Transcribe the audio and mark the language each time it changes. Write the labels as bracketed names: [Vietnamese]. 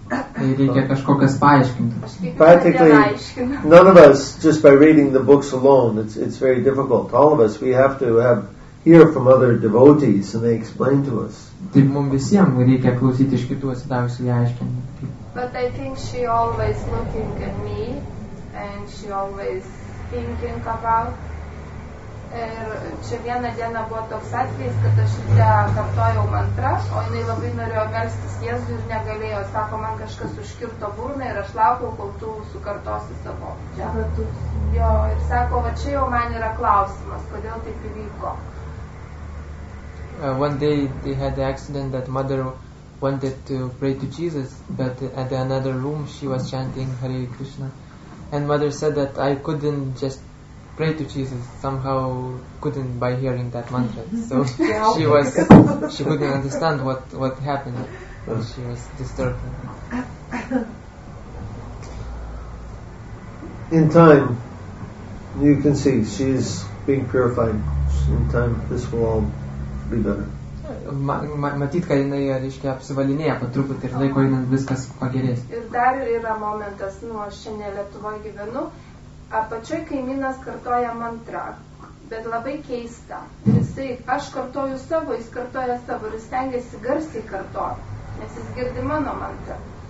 [English] Practically, none of us, just by reading the books alone, it's very difficult. All of us, we have to hear from other devotees and they explain to us. [Lithuanian] Taip mums visiems reikia klausyti iš kitų atsidavusių ją aiškinti. [English] But I think she always looking at me and she always thinking about. [Lithuanian] Ir čia vieną dieną buvo toks atvejis, kad aš ryte kartojau mantrą, o jinai labai norėjo melstis Jėzų ir negalėjo. Sako, man kažkas užkirto burną ir aš laukiau, kol tu sukartosi savo. Jo, ir sako, va čia jau man yra klausimas, kodėl taip įvyko. [English] One day they had the accident that mother wanted to pray to Jesus, but at another room she was chanting Hare Krishna. And mother said that I couldn't just pray to Jesus, somehow couldn't by hearing that mantra. So she couldn't understand what happened. She was disturbed. In time, you can see she is being purified. In time, this will all be better. [Lithuanian] Matyt, kad jinai, reiškia, apsivalinėja po truputį ir laiko einant viskas pagerės. Ir dar yra momentas, nu, aš šiandien Lietuvoje gyvenu, apačioj kaimynas kartoja mantrą, bet labai keista. Jisai, aš kartoju savo, jis kartoja savo ir stengiasi garsiai kartoti, nes jis girdi mano mantrą.